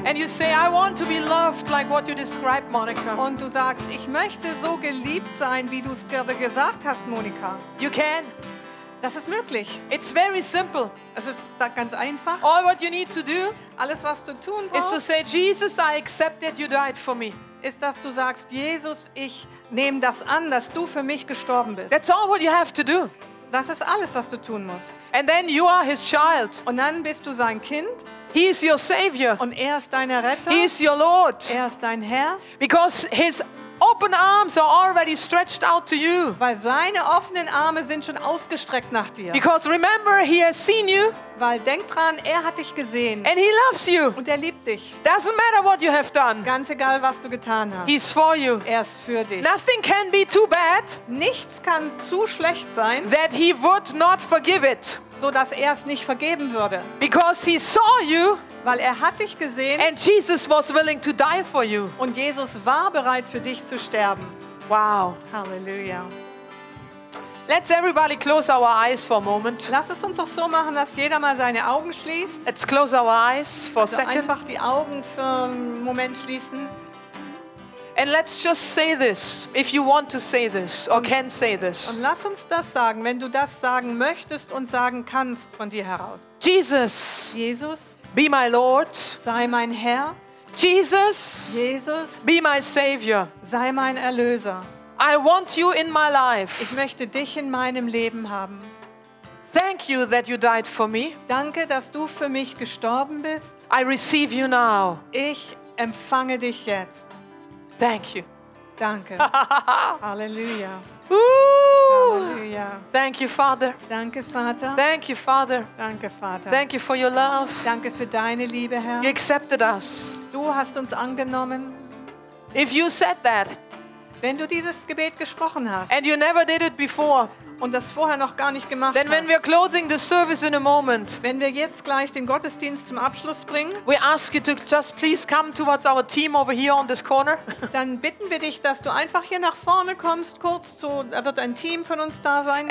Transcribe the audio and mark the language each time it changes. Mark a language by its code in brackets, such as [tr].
[en] And you say, I want to be loved like what you described, Monica. [de] Und du sagst, ich möchte so geliebt sein, wie du es gerade gesagt hast, Monica. [en] You can. [de] Das ist möglich. [en] It's very simple. [de] Es ist ganz einfach. [en] All what you need to do. [de] Alles was du tun brauchst. [en] Is to say, Jesus, I accept that you died for me. [de] Ist, dass du sagst, Jesus, ich nehme das an, dass du für mich gestorben bist. [en] That's all what you have to do. [de] Das ist alles, was du tun musst. [en] And then you are his child. [de] Und dann bist du sein Kind. [en] He is your savior. [de] Und er ist dein Retter. [en] He is your Lord. [de] Er ist dein Herr. [en] Because his open arms are already stretched out to you. [de] Weil seine offenen Arme sind schon ausgestreckt nach dir. [en] Because remember, he has seen you. [de] Weil denk dran, er hat dich gesehen. [en] And he loves you. [de] Und er liebt dich. [en] Doesn't matter what you have done. [de] Ganz egal, was du getan hast. [en] He's for you. [de] Er ist für dich. [en] Nothing can be too bad. [de] Nichts kann zu schlecht sein. [en] That he would not forgive it. [de] So dass er es nicht vergeben würde. [en] Because he saw you. [de] Weil er hat dich gesehen. [en] And Jesus was willing to die for you. [de] Und Jesus war bereit für dich zu sterben. [en] Wow. [de] Halleluja. [en] Let's everybody close our eyes for a moment. [de] Lass es uns doch so machen, dass jeder mal seine Augen schließt. [en] Let's close our eyes for [de] also [en] a second. [de] Einfach die Augen für einen Moment schließen. [en] And let's just say this, if you want to say this or can say this. [de] Und lass uns das sagen, wenn du das sagen möchtest und sagen kannst von dir heraus. [en] Jesus. [de] Jesus. [en] Be my Lord. [de] Sei mein Herr. [en] Jesus. [de] Jesus. [en] Be my Savior. [de] Sei mein Erlöser. [en] I want you in my life. [de] Ich möchte dich in meinem Leben haben. [en] Thank you that you died for me. [de] Danke, dass du für mich gestorben bist. [en] I receive you now. [de] Ich empfange dich jetzt. [en] Thank you. [de] Danke. Halleluja. [en] Halleluja. Thank you, Father. [de] Danke, Vater. [en] Thank you, Father. [de] Danke, Vater. [en] Thank you for your love. [de] Danke für deine Liebe, Herr. [en] You accepted us. [de] Du hast uns angenommen. [en] If you said that, [de] wenn du dieses Gebet gesprochen hast, [en] and you never did it before, [de] und das vorher noch gar nicht gemacht [en] then [de] hast, [en] when we are closing the service in a moment, [de] wenn wir jetzt gleich den Gottesdienst zum Abschluss bringen, [en] we ask you to just please come towards our team over here on this corner. [de] Dann bitten wir dich, dass du einfach hier nach vorne kommst, kurz zu, da wird ein Team von uns da sein.